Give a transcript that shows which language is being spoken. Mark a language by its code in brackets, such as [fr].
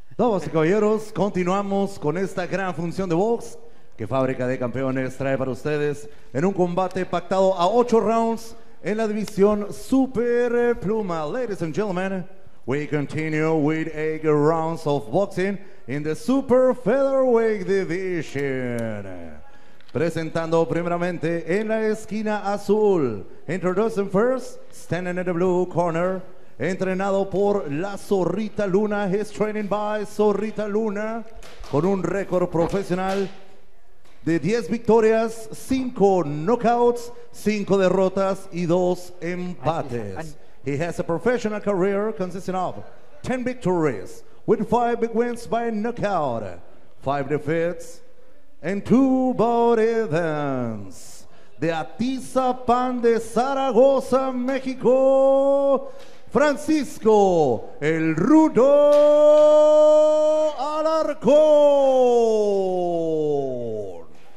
[es] Damas y caballeros, continuamos con esta gran función de box que Fábrica de Campeones trae para ustedes en un combate pactado a 8 rounds en la división Super Pluma. [en] Ladies and gentlemen, we continue with 8 rounds of boxing in the Super Featherweight Division. [es] Presentando primeramente en la esquina azul, [en] introducing first, standing in the blue corner, [es] entrenado por la Zorrita Luna, [en] he's training by Zorrita Luna, [es] con un récord profesional de 10 victorias, 5 knockouts, 5 derrotas y 2 empates. [en] He has a professional career consisting of 10 victories with 5 big wins by knockout, 5 defeats and 2 bout events. [es] De Atizapán de Zaragoza, México, Francisco el Rudo Alarcón.